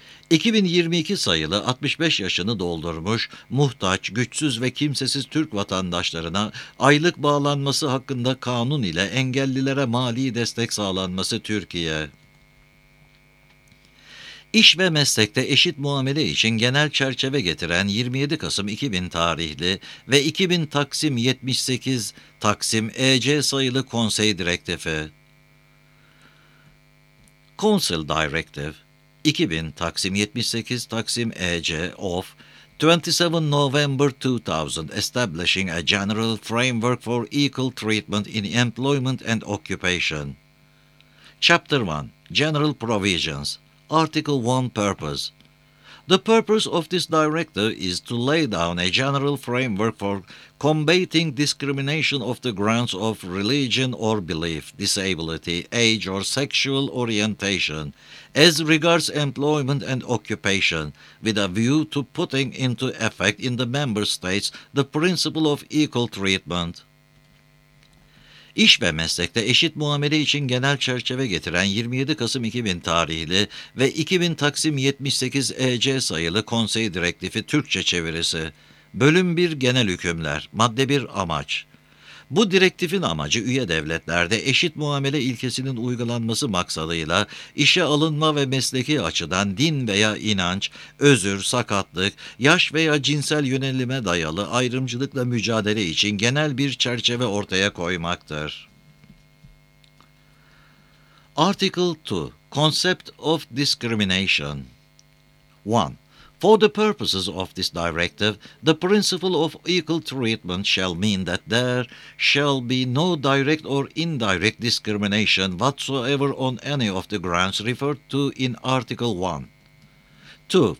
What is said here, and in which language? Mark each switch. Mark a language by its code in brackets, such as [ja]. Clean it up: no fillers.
[tr] 2022 sayılı 65 yaşını doldurmuş, muhtaç, güçsüz ve kimsesiz Türk vatandaşlarına aylık bağlanması hakkında kanun ile engellilere mali destek sağlanması, Türkiye. İş ve meslekte eşit muamele için genel çerçeve getiren 27 Kasım 2000 tarihli ve 2000/78/EC sayılı Konsey Direktifi. [en] Council Directive 2000/78/EC of 27 November 2000 establishing a general framework for equal treatment in employment and occupation. Chapter 1 General Provisions. Article 1 Purpose. The purpose of this directive is to lay down a general framework for combating discrimination on the grounds of religion or belief, disability, age or sexual orientation, as regards employment and occupation, with a view to putting into effect in the member states the principle of equal treatment. [tr] İş ve meslekte eşit muamele için genel çerçeve getiren 27 Kasım 2000 tarihli ve 2000/78/EC sayılı Konsey Direktifi Türkçe çevirisi. Bölüm 1 Genel Hükümler. Madde 1 Amaç. Bu direktifin amacı üye devletlerde eşit muamele ilkesinin uygulanması maksadıyla işe alınma ve mesleki açıdan din veya inanç, özür, sakatlık, yaş veya cinsel yönelime dayalı ayrımcılıkla mücadele için genel bir çerçeve ortaya koymaktır. [en] Article 2. Concept of Discrimination. 1. For the purposes of this directive, the principle of equal treatment shall mean that there shall be no direct or indirect discrimination whatsoever on any of the grounds referred to in Article 1. 2.